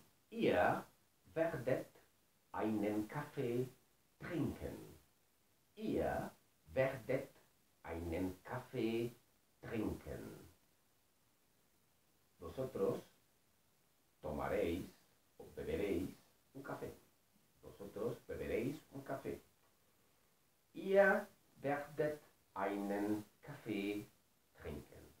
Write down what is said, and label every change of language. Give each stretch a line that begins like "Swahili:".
German: Ihr werdet einen Kaffee trinken. Ihr werdet einen Kaffee trinken.
Spanish: Vosotros tomaréis o beberéis un café. Vosotros beberéis un café.
German: Ihr werdet einen Kaffee trinken.